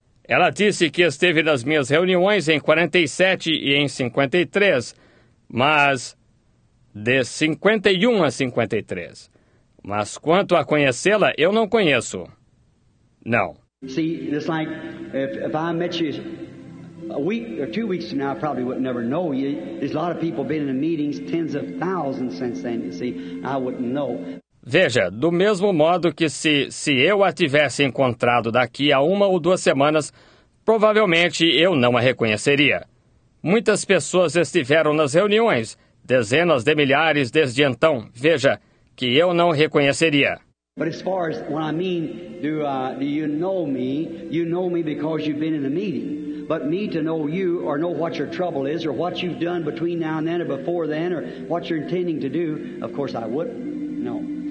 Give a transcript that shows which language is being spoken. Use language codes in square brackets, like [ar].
[pt] Ela disse que esteve nas minhas reuniões em 47 e em 53, mas... de 51 a 53. Mas quanto a conhecê-la, eu não conheço. Não. [en] See, it's like if I met you a week or 2 weeks from now, I probably would never know you. There's a lot of people been in the meetings, tens of thousands since then, you see. I wouldn't know. [pt] Veja, do mesmo modo que se eu a tivesse encontrado daqui a uma ou duas semanas, provavelmente eu não a reconheceria. Muitas pessoas estiveram nas reuniões, dezenas de milhares desde então. Veja, que eu não reconheceria. [en] But as far as what I mean, do you know me? You know me because you've been in the meeting. But me to know you or know what your trouble is or what you've done between now and then or before then or what you're intending to do, of course I wouldn't know.